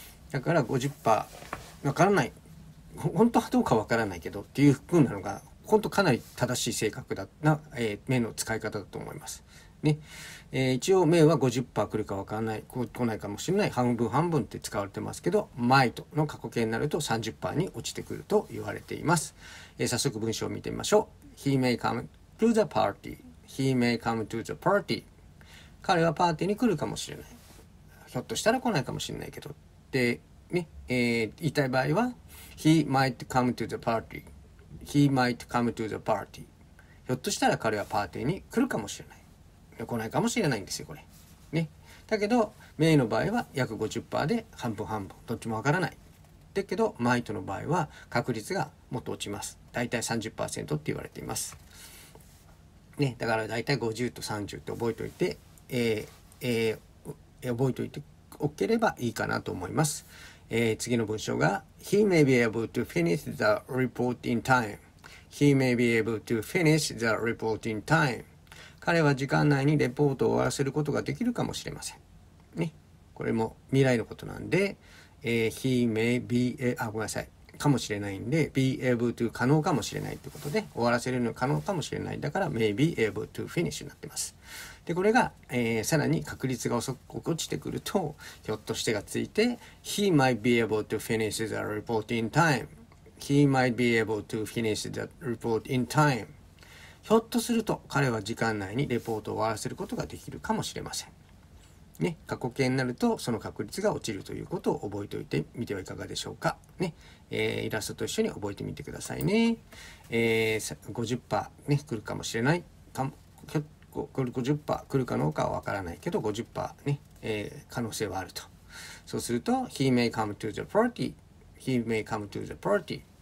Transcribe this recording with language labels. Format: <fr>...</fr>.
<ja>だから 50% 分からない、本当はどうか分からないけどっていう風なのが本当かなり正しい性格だな、メイの使い方だと思います、ね。一応メイは 50% 来るか分からない、来ないかもしれない、半分半分って使われてますけど、マイとの過去形になると 30% に落ちてくると言われています。早速文章を見てみましょう。</ja> <en>He may come to the partyHe may come to the party.</en> <ja>彼はパーティーに来るかもしれない。ひょっとしたら来ないかもしれないけど。</ja> <en>で、ね、言いたい場合は、 He might come to the party. He might come to the party.</en> <ja>ひょっとしたら彼はパーティーに来るかもしれない。来ないかもしれないんですよ、これ。ね、だけど、メイの場合は約 50% で半分半分。どっちもわからない。だけど、マイトの場合は確率がもっと落ちます。だいたい 30% って言われています。ね、だからだいたい50と30って覚えておいて、覚えておいておければいいかなと思います。</ja> <en>次の文章が He may be able to finish the report in time. He may be able to finish the report in time.</en> <ja>彼は時間内にレポートを終わらせることができるかもしれません、ね、これも未来のことなんで、He may be あごめんなさいかもしれないんで、 be able to 可能かもしれないということで、終わらせるの可能かもしれない、だから may be able to finish になってます。で、これが、さらに確率が遅く落ちてくると、ひょっとしてがついて、 he might be able to finish the report in time.</ja> <en>he might be able to finish the report in time.</en> <ja>ひょっとすると彼は時間内にレポートを終わらせることができるかもしれませんね。過去形になるとその確率が落ちるということを覚えておいてみてはいかがでしょうかね。イラストと一緒に覚えてみてくださいね。 50% ね、来るかもしれない、結構 50% 来るかどうかは分からないけど 50% ね、可能性はあると。そうすると He may come to the party. He may come to the party、</ja>